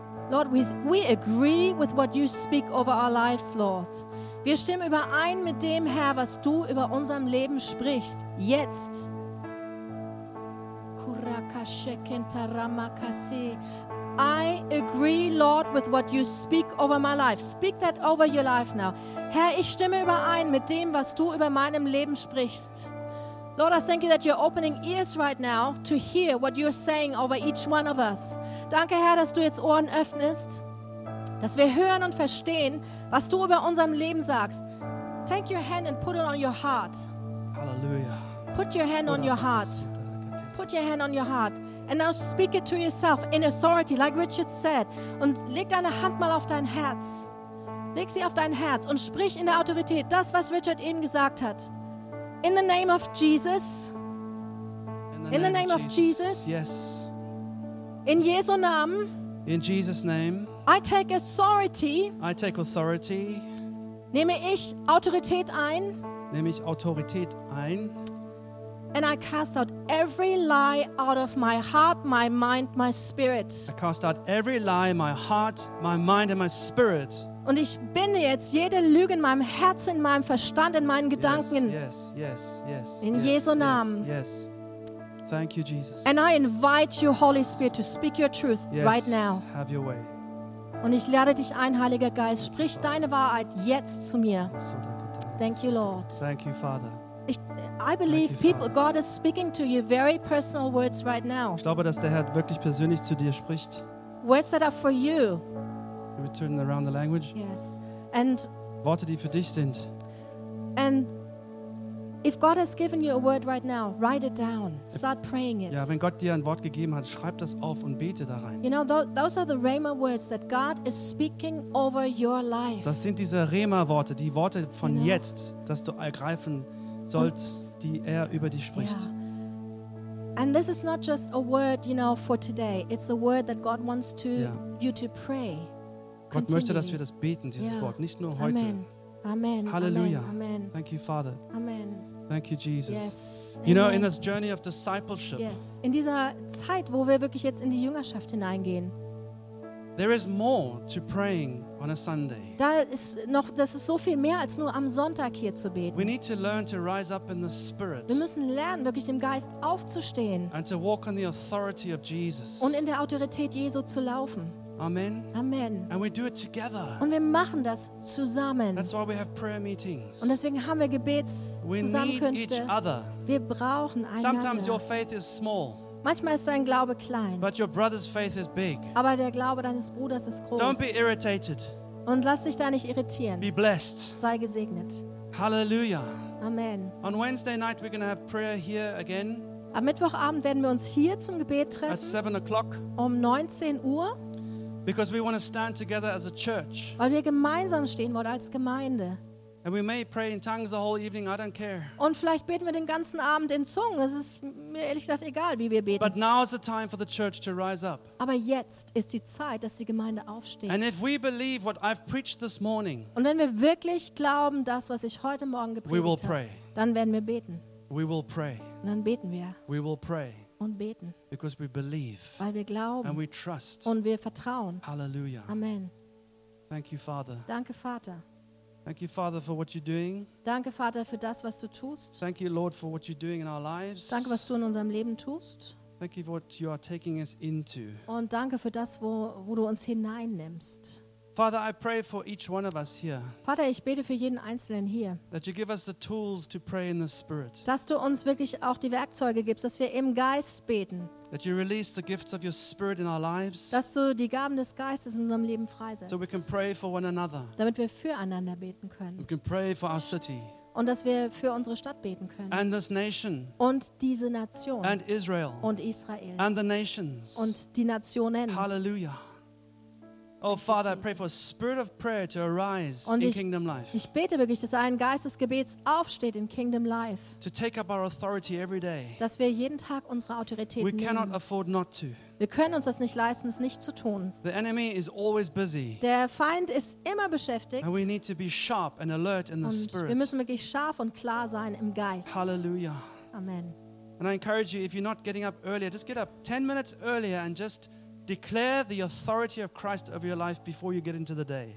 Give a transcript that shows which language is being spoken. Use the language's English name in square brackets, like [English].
[English] Lord, we agree with what you speak over our lives, Lord. [German] Wir stimmen überein mit dem, Herr, was du über unserem Leben sprichst. Jetzt. [English] I agree, Lord, with what you speak over my life. Speak that over your life now. [German] Herr, ich stimme überein mit dem, was du über meinem Leben sprichst. [English] Lord, I thank you that you're opening ears right now to hear what you're saying over each one of us. [German] Danke, Herr, dass du jetzt Ohren öffnest, dass wir hören und verstehen, was du über unserem Leben sagst. [English] Take your hand and put it on your heart. Hallelujah. Put your hand on your heart. Put your hand on your heart. And now speak it to yourself in authority, like Richard said. [German] Und leg deine Hand mal auf dein Herz. Leg sie auf dein Herz und sprich in der Autorität das, was Richard eben gesagt hat. [English] In the name of Jesus. In the name of Jesus. Yes. [German] In Jesu Namen. [English] In Jesus' name. I take authority. I take authority. [German] Nehme ich Autorität ein. Nehme ich Autorität ein. [English] And I cast out every lie out of my heart, my mind, my spirit. I cast out every lie in my heart, my mind, and my spirit. [German] Und ich binde jetzt jede Lüge in meinem Herzen, in meinem Verstand, in meinen Gedanken. [English] Yes, yes, yes. Yes, [German] in [English] yes, [German] Jesu Namen. [English] Yes, yes. Thank you, Jesus. And I invite you, Holy Spirit, to speak your truth yes, right now. Have your way. [German] Und ich lade dich ein, Heiliger Geist, sprich deine Wahrheit jetzt zu mir. [English] Thank you, Lord. Thank you, Father. I believe people, God is speaking to you very personal words right now. [German] Ich glaube, dass der Herr wirklich persönlich zu dir spricht. [English] Words that are for you. Can we turn around the language? Yes. And [German] Worte, die für dich sind. [English] And if God has given you a word right now, write it down. Start praying it. [German] Ja, wenn Gott dir ein Wort gegeben hat, schreib das auf und bete da rein. [English] You know, those are the Rhema words that God is speaking over your life. [German] Das sind diese Rhema-Worte, die Worte von you know? Jetzt, dass du ergreifen sollst. Die er über dich spricht. [English] Yeah. And this is not just a word, you know, for today. It's a word that God wants to you to pray. [German] Gott möchte, dass wir das beten, dieses Wort, nicht nur heute. [English] Amen. Amen. Hallelujah. Amen. Thank you, Father. Amen. Thank you, Jesus. Yes. You know, in this journey of discipleship. Yes. [German] In dieser Zeit, wo wir wirklich jetzt in die Jüngerschaft hineingehen. [English] There is more to praying on a Sunday. [German] Da ist noch, das ist so viel mehr als nur am Sonntag hier zu beten. [English] We need to learn to rise up in the Spirit. [German] Wir müssen lernen, wirklich im Geist aufzustehen. [English] And to walk on the authority of Jesus. [German] Und in der Autorität Jesu zu laufen. [English] Amen. Amen. And we do it together. [German] Und wir machen das zusammen. [English] That's why we have prayer meetings. [German] Und deswegen haben wir Gebetszusammenkünfte. [English] We need each other. [German] Wir brauchen einander. [English] Sometimes your faith is small. [German] Manchmal ist dein Glaube klein. [English] But your brother's faith is big. [German] Aber der Glaube deines Bruders ist groß. [English] Don't be irritated. [German] Und lass dich da nicht irritieren. [English] Be blessed. [German] Sei gesegnet. [English] Hallelujah. Amen. On Wednesday night we're going to have prayer here again. [German] Am Mittwochabend werden wir uns hier zum Gebet treffen. [English] At 7 o'clock. [German] Um 19 Uhr. [English] Because we want to stand together as a church. [German] Weil wir gemeinsam stehen wollen als Gemeinde. [English] And we may pray in tongues the whole evening, I don't care. [German] Und vielleicht beten wir den ganzen Abend in Zungen. Es ist mir ehrlich gesagt egal, wie wir beten. [English] But now is the time for the church to rise up. [German] Aber jetzt ist die Zeit, dass die Gemeinde aufsteht. [English] And if we believe what I've preached this morning. [German] Und wenn wir wirklich glauben, das was ich heute morgen gepredigt habe. [English] We will pray. [German] Dann werden wir beten. [English] We will pray. [German] Und dann beten wir. [English] We will pray. [German] und beten. [English] Because we believe. [German] Weil wir glauben. [English] And we trust. [German] Und wir vertrauen. Halleluja. Amen. [English] Thank you, Father. [German] Danke, Vater. [English] Thank you, Father, for what you're doing. [German] Danke, Vater, für das, was du tust. [English] Thank you, Lord, for what you're doing in our lives. [German] Danke, was du in unserem Leben tust. [English] Thank you for what you are taking us into. [German] Und danke für das, wo du uns hineinnimmst. [English] Father, I pray for each one of us here. [German] Vater, ich bete für jeden einzelnen hier. [English] That you give us the tools to pray in the Spirit. [German] Dass du uns wirklich auch die Werkzeuge gibst, dass wir im Geist beten. [English] That you release the gifts of your Spirit in our lives. [German] Dass du die Gaben des Geistes in unserem Leben freisetzt. [English] So we can pray for one another. [German] Damit wir füreinander beten können. [English] We can pray for our city. [German] Und dass wir für unsere Stadt beten können. [English] And this nation. [German] Und diese Nation. [English] And Israel. [German] Und Israel. [English] And the nations. [German] Und die Nationen. [English] Halleluja. Oh Father, I pray for a spirit of prayer to arise [German] und [English] in Kingdom Life. [German] Ich bete wirklich, dass ein Geist des Gebets aufsteht in Kingdom Life. [English] To take up our authority every day. [German] Dass wir jeden Tag unsere Autorität nehmen. [English] We cannot afford not to. [German] Wir können uns das nicht leisten, es nicht zu tun. [English] The enemy is always busy. [German] Der Feind ist immer beschäftigt. [English] And we need to be sharp and alert in the Spirit. [German] Wir müssen wirklich scharf und klar sein im Geist. Halleluja. Amen. [English] And I encourage you, if you're not getting up earlier, just get up 10 minutes earlier and just declare the authority of Christ over your life before you get into the day.